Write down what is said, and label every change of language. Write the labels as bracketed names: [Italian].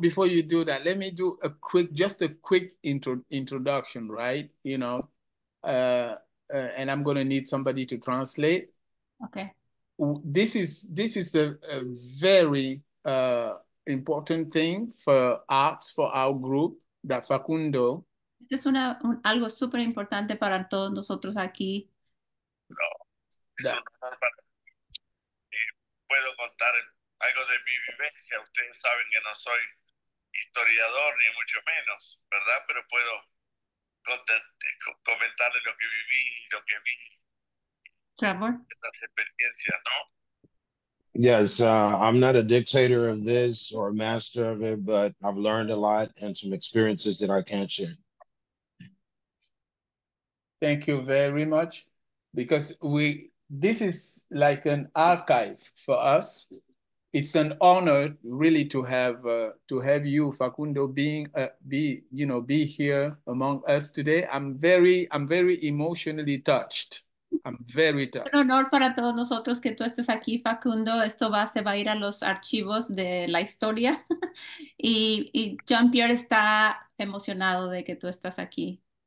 [English] before you do that, let me do a quick just a quick introduction, right? And I'm gonna need somebody to translate. Okay. This is a very important thing for us, for our group, that Facundo. [Spanish] Este es una un, algo súper importante para todos nosotros aquí. [English] That. [Spanish] Puedo contar algo de mi vivencia. Ustedes saben que no soy historiador, ni mucho menos, ¿verdad? Pero puedo comentarle lo que viví, lo que vi, Trevor. las experiencias, ¿no? [English] Yes, I'm not a dictator of this or a master of it, but I've learned a lot and some experiences that I can't share. Thank you very much, because this is like an archive for us. It's an honor really to have you, Facundo, be here among us today. I'm very emotionally touched. I'm very [Spanish] Un [English] touched. [Spanish] honor para todos nosotros que tú estés aquí, Facundo. Esto se va a ir a los archivos de la historia. Y Jean-Pierre está emocionado de que tú estás aquí.